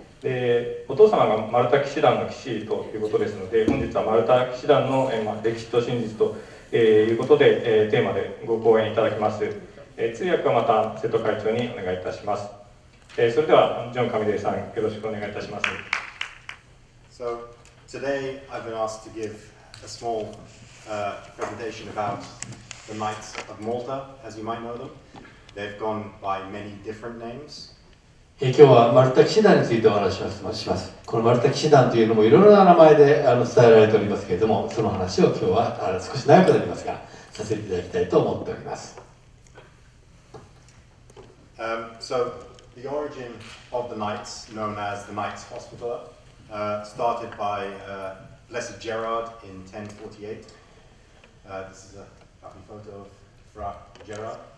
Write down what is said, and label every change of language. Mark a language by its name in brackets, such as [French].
[Japanese] で、お父様がマルタ騎士団の騎士ということですので、本日はマルタ騎士団の歴史と真実ということで、テーマでご講演いただきます。通訳はまた瀬戸会長にお願いいたします。それではジョン・カミデイさん、よろしくお願いいたします。 [English] So today I've been asked to give a small presentation about the Knights of Malta, as you might know them. They've gone by many different names. [Japanese] 今日はマルタ騎士団についてお話しします。このマルタ騎士団というのもいろいろな名前で伝えられておりますけれども、その話を今日は少し長くなりますが、させていただきたいと思っております。 [English] So, the origin of the Knights, known as the Knights Hospital, started by Blessed Gerard in 1048. This is a lovely photo of Fra Gerard.